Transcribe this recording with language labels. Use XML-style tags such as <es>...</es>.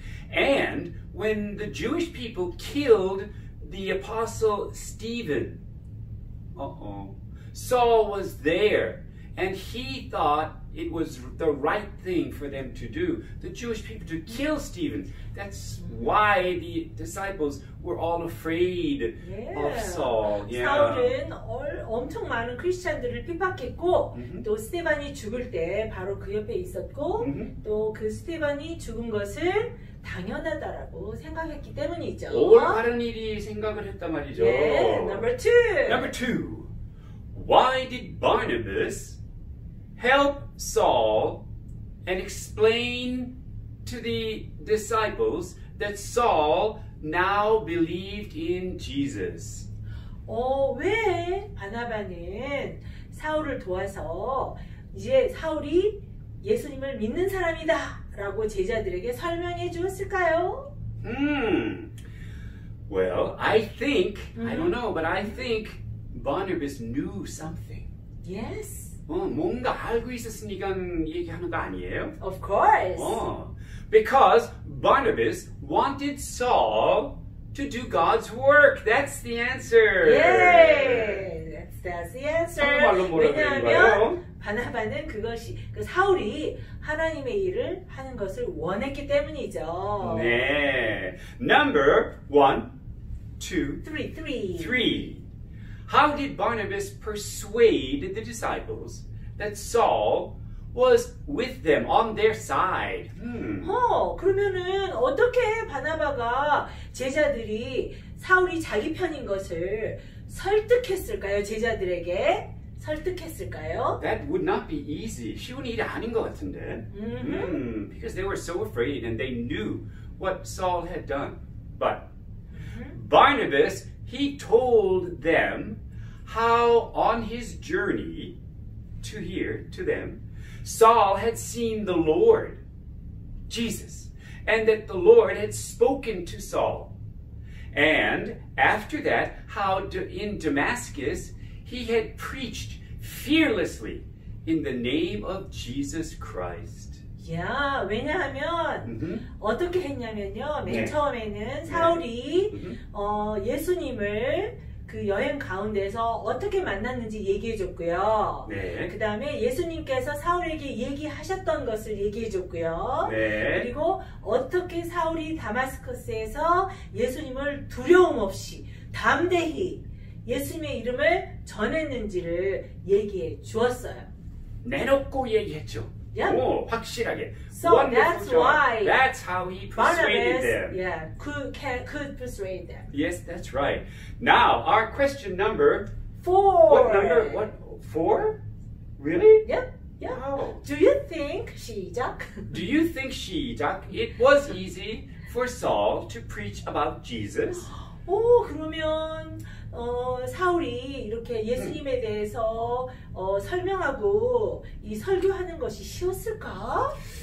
<en>And when the Jewish people killed the apostle Stephen, Saul was there and he thought it was the right thing for them to do, the Jewish people, to kill Stephen. That's why the disciples were all afraid of Saul. Yeah.</en> <ko>사울은 엄청 많은 크리스천들을 핍박했고 또 스테반이 죽을 때 바로 그 옆에 있었고 또 그 스테반이 죽은 것을 당연하다라고 생각했기 때문이죠. 올바른 일이 생각을 했단 말이죠.</ko> <en>Number two. Why did Barnabas help Saul and explain to the disciples that Saul now believed in Jesus.</en> <ko>왜 바나바는 사울을 도와서 이제 사울이 예수님을 믿는 사람이다 라고 제자들에게 설명해 주었을까요?</ko> <en>Well, I think, I don't know, but I think Barnabas knew something. Yes.</en> <ko>뭔가 알고 있었으니까 얘기하는 거 아니에요?</ko> <en>Of course. Because Barnabas wanted Saul to do God's work. That's the answer. Yay! That's the answer.</en> <ko>정말로 뭐라 그러는 거예요? 바나바는 그것이, 그 사울이 하나님의 일을 하는 것을 원했기 때문이죠.</ko> <en>네. Number one, two, three. How did Barnabas persuade the disciples that Saul was with them on their side?</en> <ko>그러면은 어떻게 바나바가 제자들이 사울이 자기 편인 것을 설득했을까요? 제자들에게? 설득했을까요?</ko> <en>That would not be easy.</en> <ko>쉬운 일이 아닌 것 같은데.</ko> <en>Because they were so afraid and they knew what Saul had done. But Barnabas, he told them how on his journey to here, to them, Saul had seen the Lord, Jesus, and that the Lord had spoken to Saul. And after that, how in Damascus, he had preached fearlessly in the name of Jesus Christ.</en> <ko>Yeah, 왜냐하면 어떻게 했냐면요. 맨 처음에는 사울이 예수님을 그 여행 가운데서 어떻게 만났는지 얘기해 줬고요. 그 다음에 예수님께서 사울에게 얘기하셨던 것을 얘기해 줬고요. 그리고 어떻게 사울이 다마스커스에서 예수님을 두려움 없이 담대히 예수님의 이름을 전했는지를 얘기해 주었어요. 내놓고 얘기했죠.</ko> <en>Yep.</en> <ko>오, 확실하게.</ko> <en>So that's why that's how he persuaded Barnabas, Yeah, could persuade them. Yes, that's right. Now, our question number four. What number? What four? Really? Yep. Yeah. Wow. Do you think</en> <ko>시작?</ko> <en>Do you think</en> <ko>시작?</ko> <en>It was easy for Saul to preach about Jesus.</en> <ko>오, 그러면 사울이 이렇게 예수님에 대해서 설명하고 이 설교하는 것이 쉬웠을까?</ko>